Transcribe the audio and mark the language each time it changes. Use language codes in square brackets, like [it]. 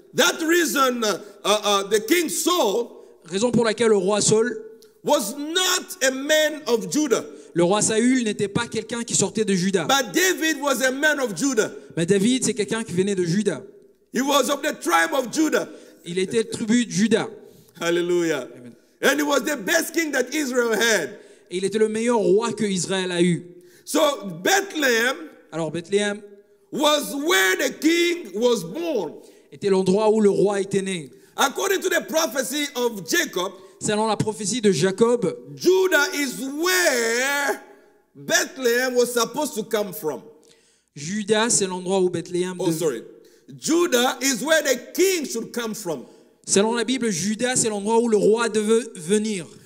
[en] That reason, the king Saul, [fr] raison pour laquelle le roi Saul [en] was not a man of Judah. [fr] Le roi Saül n'était pas quelqu'un qui sortait de Juda. [en] But David was a man of Judah. [fr] Mais David, c'est quelqu'un qui venait de Juda. [en] He was of the tribe of Judah. [fr] Il était tribu de Juda. [en] Hallelujah. And he was the best king that Israel had. [fr] Et il était le meilleur roi que Israël a eu. [en] So Bethlehem. [fr] Alors Bethléem [en] was where the king was born. [fr] Était l'endroit où le roi était né. [en] According to the prophecy of Jacob. [fr] Selon la prophétie de Jacob, [en] Judah is where Bethlehem was supposed to come from. [fr] Judas, c'est l'endroit où Bethléem. [en] Oh, sorry. Judah is where the king should come from. [fr] Selon la Bible, Judas, c'est l'endroit où le roi devait venir.